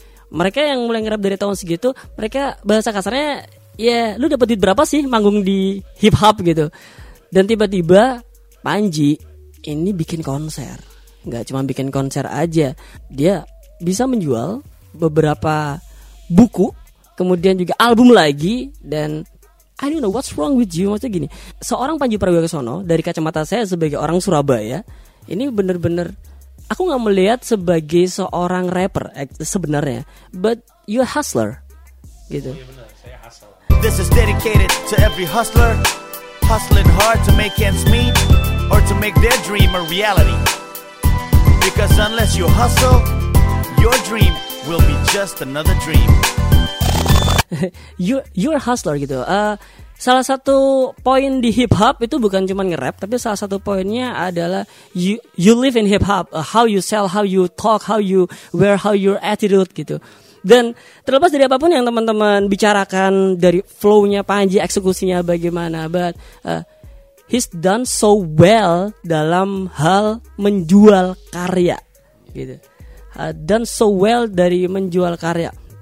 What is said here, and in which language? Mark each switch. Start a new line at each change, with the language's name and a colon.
Indonesian: Mereka yang mulai nge-rap dari tahun segitu, mereka bahasa kasarnya, ya lu dapat duit berapa sih manggung di hip hop gitu. Dan tiba-tiba Panji ini bikin konser. Gak cuma bikin konser aja, dia bisa menjual beberapa buku, kemudian juga album lagi.
English: Dan I don't know what's wrong with you.
Indonesian: Maksudnya gini, seorang Panji Pragiwaksono dari kacamata saya sebagai orang Surabaya, ini benar-benar aku gak melihat sebagai seorang rapper sebenarnya,
English: but you're a hustler
Indonesian: gitu. Iya benar, saya hustler.
English: This is dedicated to every hustler hustling hard to make ends meet or to make their dream a reality. Because unless you hustle, your dream will be just another dream. You're a hustler
Indonesian: gitu. Salah satu poin di hip hop itu bukan cuma nge-rap, tapi salah satu poinnya adalah
English: you live in hip hop. How you sell, how you talk, how you wear, how your attitude gitu.
Indonesian: Dan terlepas dari apapun yang teman-teman bicarakan dari flow-nya Panji, eksekusinya bagaimana,
English: but he's done so well
Indonesian: dalam hal menjual karya gitu.
English: Done so well
Indonesian: dari menjual karya.